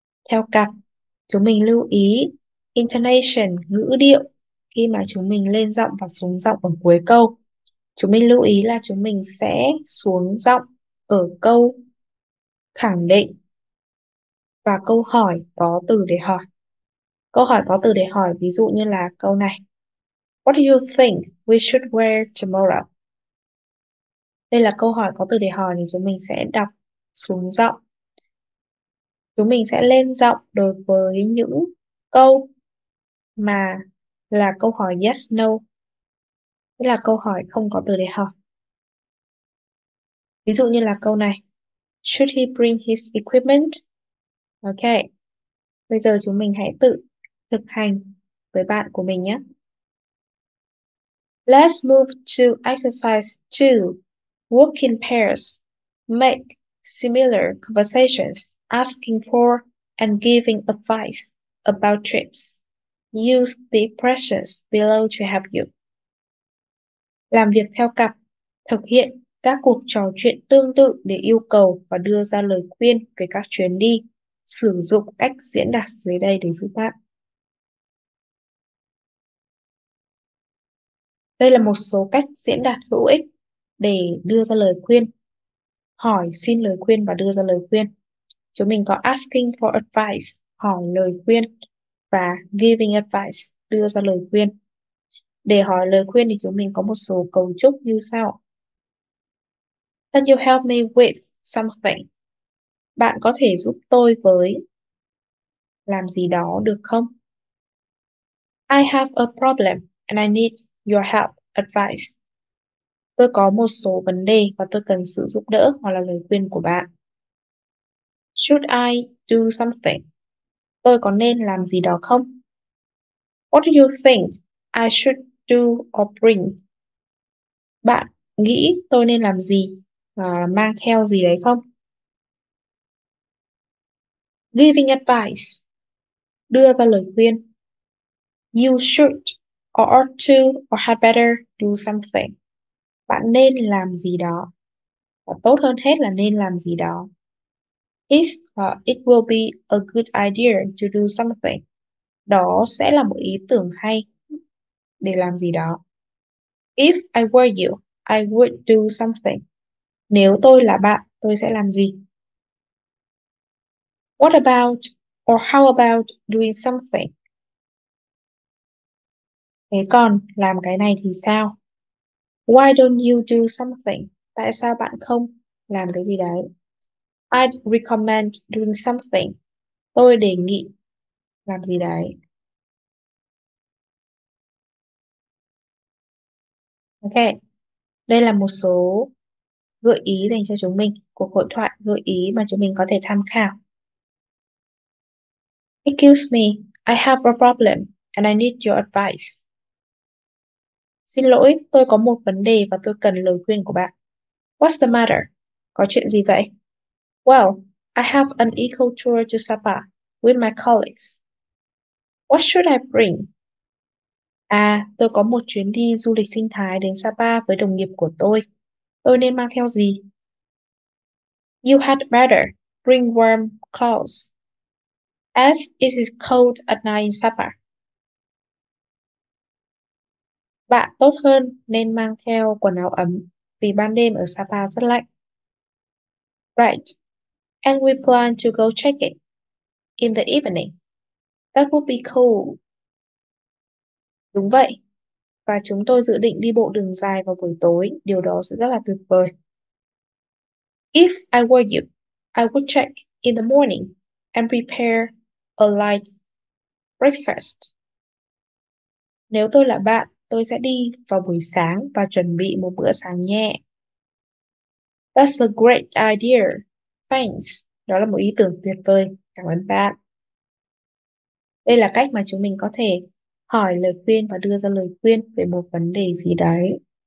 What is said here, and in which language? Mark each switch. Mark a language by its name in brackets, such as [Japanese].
[Vietnamese] Theo cặp, chúng mình lưu ý intonation, ngữ điệu khi mà chúng mình lên giọng và xuống giọng ở cuối câu. Chúng mình lưu ý là chúng mình sẽ xuống giọng ở câu khẳng định và câu hỏi có từ để hỏi. Câu hỏi có từ để hỏi ví dụ như là câu này. [English] What do you think we should wear tomorrow? [Vietnamese] Đây là câu hỏi có từ để hỏi thì chúng mình sẽ đọc xuống giọng. Chúng mình sẽ lên giọng đối với những câu mà là câu hỏi yes, no. Tức là câu hỏi không có từ để hỏi. Ví dụ như là câu này. [English] Should he bring his equipment? Ok. [Vietnamese] Bây giờ chúng mình hãy tự thực hành với bạn của mình nhé. [English] Let's move to exercise 2. Work in pairs. Make similar conversations, asking for and giving advice about trips. Use the expressions below to help you. [Vietnamese] Làm việc theo cặp, thực hiện các cuộc trò chuyện tương tự để yêu cầu và đưa ra lời khuyên về các chuyến đi. Sử dụng cách diễn đạt dưới đây để giúp bạn. Đây là một số cách diễn đạt hữu ích để đưa ra lời khuyên. Hỏi xin lời khuyên và đưa ra lời khuyên. Chúng mình có [English] asking for advice, [Vietnamese] hỏi lời khuyên, và [English] giving advice, [Vietnamese] đưa ra lời khuyên. Để hỏi lời khuyên thì chúng mình có một số cấu trúc như sau. [English] Can you help me with something? [Vietnamese] Bạn có thể giúp tôi với làm gì đó được không? [English] I have a problem and I need your help, advice. [Vietnamese] Tôi có một số vấn đề và tôi cần sự giúp đỡ hoặc là lời khuyên của bạn. [English] Should I do something? [Vietnamese] Tôi có nên làm gì đó không? [English] What do you think I should do or bring? [Vietnamese] Bạn nghĩ tôi nên làm gì và mang theo gì đấy không? [English] Giving advice. [Vietnamese] Đưa ra lời khuyên. [English] You should or ought to or had better do something. [Vietnamese] Bạn nên làm gì đó. Và tốt hơn hết là nên làm gì đó. [English] Is or it will be a good idea to do something. [Vietnamese] Đó sẽ là một ý tưởng hay để làm gì đó. [English] If I were you, I would do something. [Vietnamese] Nếu tôi là bạn, tôi sẽ làm gì? [English] What about or how about doing something? [Vietnamese] Thế còn làm cái này thì sao? [English] Why don't you do something? [Vietnamese] Tại sao bạn không làm cái gì đấy? [English] I'd recommend doing something. [Vietnamese] Tôi đề nghị làm gì đấy? Ok, đây là một số gợi ý dành cho chúng mình, cuộc hội thoại gợi ý mà chúng mình có thể tham khảo. [English] Excuse me, I have a problem and I need your advice. [Vietnamese] Xin lỗi, tôi có một vấn đề và tôi cần lời khuyên của bạn. [English] What's the matter? [Vietnamese] Có chuyện gì vậy? [English] Well, I have an eco tour to Sapa with my colleagues. What should I bring? [Vietnamese] À, tôi có một chuyến đi du lịch sinh thái đến Sapa với đồng nghiệp của tôi. Tôi nên mang theo gì? [English] You had better bring warm clothes, as it is cold at night in Sapa. [Vietnamese] Bạn tốt hơn nên mang theo quần áo ấm vì ban đêm ở Sapa rất lạnh. [English] Right, and we plan to go trekking in the evening. That would be cool. [Vietnamese] Đúng vậy, và chúng tôi dự định đi bộ đường dài vào buổi tối, điều đó sẽ rất là tuyệt vời. [English] If I were you, I would check in the morning and prepare a light breakfast. [Vietnamese] Nếu tôi là bạn, tôi sẽ đi vào buổi sáng và chuẩn bị một bữa sáng nhẹ. [English] That's a great idea. Thanks. [Vietnamese] Đó là một ý tưởng tuyệt vời. Cảm ơn bạn. Đây là cách mà chúng mình có thể hỏi lời khuyên và đưa ra lời khuyên về một vấn đề gì đấy.